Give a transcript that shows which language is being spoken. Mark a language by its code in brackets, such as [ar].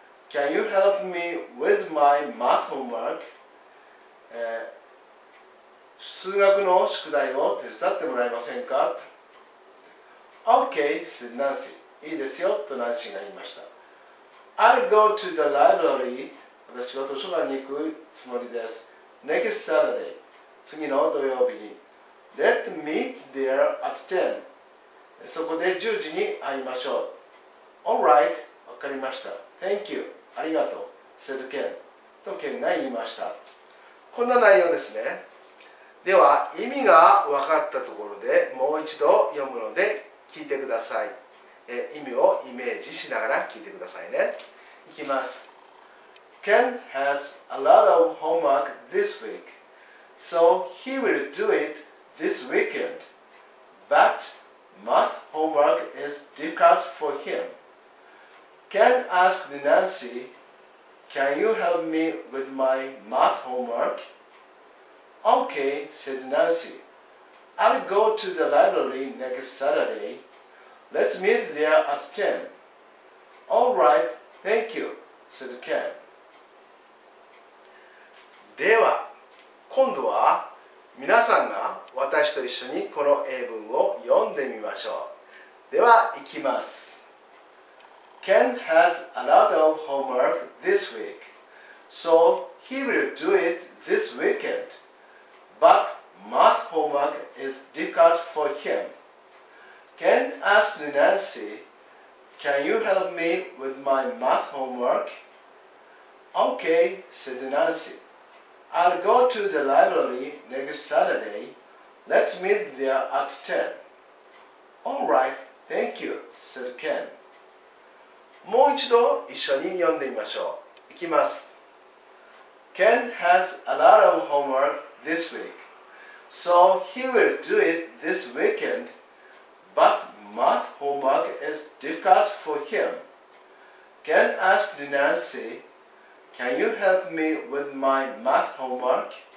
[en] Can you help me with my math homework? [ja] 数学の宿題を手伝ってもらえませんか? [en] Okay, said Nancy. [ja] いいですよとナンシーが言いました。 [en] I'll go to the library. [ja] 私は図書館に行くつもりです。 [en] Next Saturday. [ja] 次の土曜日に。 [en] Let's meet there at 10. [ja] そこで10時に会いましょう。 [en] All right. [ja] わかりました。 [en] Thank you. [ja] ありがとう。 [en] said Ken. [ja] とケンが言いました。こんな内容ですね。では意味が分かったところでもう一度読むので聞いてください。意味をイメージしながら聞いてくださいね。いきます。 [en] Ken has a lot of homework this week, so he will do it this weekend. But math homework is difficult for him. Ken asked Nancy, Can you help me with my math homework? Okay, said Nancy. I'll go to the library next Saturday. Let's meet there at 10. All right, thank you, said Ken. [ja] では、今度は皆さんが私と一緒にこの英文を読んでみましょう。では、行きます。 [en] Ken has a lot of homework this week, so he will do it this weekend. But math homework is difficult for him. Ken asked Nancy, Can you help me with my math homework? Okay, said Nancy. I'll go to the library next Saturday. Let's meet there at 10. All right, thank you, said Ken. [ja] もう一度一緒に読んでみましょう。いきます。 [en] Ken has a lot of homework this week, so he will do it this weekend. But math homework is difficult for him. Ken asked Nancy, Can you help me with my math homework?